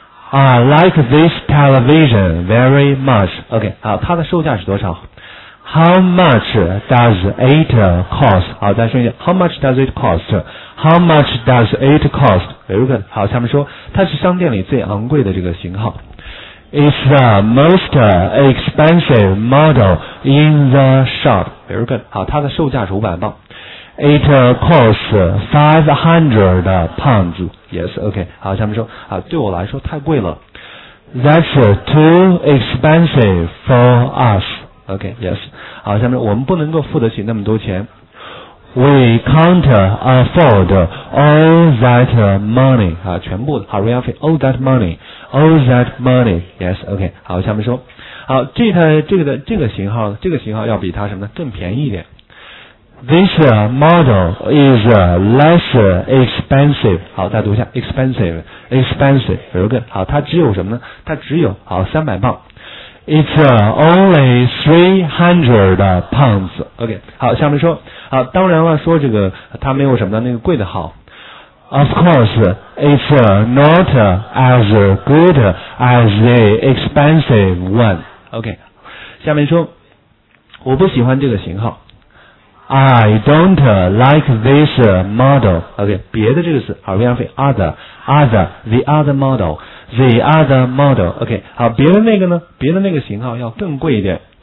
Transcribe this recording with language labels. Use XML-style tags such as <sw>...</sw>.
<en>I like this television very much.</en> <zh>OK. 好，它的售价是多少？</zh> <en>How much does it cost?</en> <zh>好，再说一下</zh> <en>，How much does it cost? How much does it cost? Very good.</en> <zh>好，下面说，它是商店里最昂贵的这个型号。</zh> <en>It's the most expensive model in the shop.</en> <zh>Very good. 好，它的售价是500磅。</zh> <en>It costs 500 pounds. Yes. OK.</en> <zh>好，下面说，啊，对我来说太贵了。</zh> <en>That's too expensive for us. OK, yes.</en> <zh>好，下面我们不能够付得起那么多钱。</zh> <en>We can't afford all that money.</en> <zh>啊，全部的。好 ，</zh> <en>we have all that money. All that money. Yes. OK.</en> <zh>好，下面说。好，这个型号要比它什么呢？更便宜一点。</zh> <en>This model is less expensive.</en> <zh>好，再读一下 expensive, expensive. Very good. 好，它只有什么呢？它只有好300磅。</zh> <en>It's only 300 pounds.</en> <zh>OK, 好，下面说，好，当然了，说这个它没有什么那个贵的好。</zh> <en>Of course, it's not as good as the expensive one.</en> <zh>OK, 下面说，我不喜欢这个型号。</zh> <en>I don't like this model.</en> <zh>OK, 别的这个词，好，不要费 other, other, the other model.</zh> <en>The other model,</en> <zh>OK, 好，别的那个呢？别的那个型号要更贵一点。</zh>